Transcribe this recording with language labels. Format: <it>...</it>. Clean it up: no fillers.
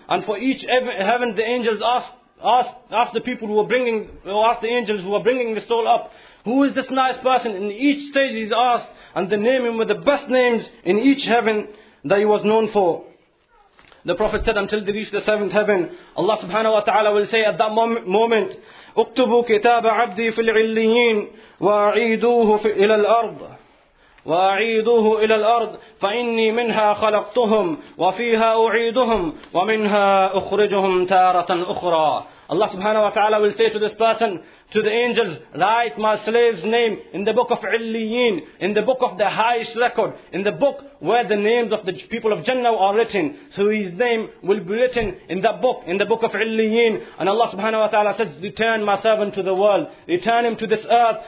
<en>And for each heaven the angels ask the people who are bringing, or ask the angels who are bringing the soul up, who is this nice person? In each stage he's asked, and they name him with the best names in each heaven that he was known for. The Prophet said, until they reach the seventh heaven, Allah subhanahu wa ta'ala will say at that moment,</en> <ar>اُكْتُبُوا كِتَابَ عَبْدِي فِي الْعِلِّيِّينَ وَأَعِيدُوهُ إِلَى الْأَرْضِ وَأَعِيدُوهُ إِلَى الْأَرْضِ فَإِنِّي مِنْهَا خَلَقْتُهُمْ وَفِيهَا أُعِيدُهُمْ وَمِنْهَا أُخْرِجُهُمْ تَارَةً أُخْرَى.</ar> <en>Allah subhanahu wa ta'ala will say to this person, to the angels, write my slave's name in the book of Illiyin, in the book of the highest record, in the book where the names of the people of Jannah are written. So his name will be written in that book, in the book of Illiyin. And Allah subhanahu wa ta'ala says, return my servant to the world, return him to this earth.</en>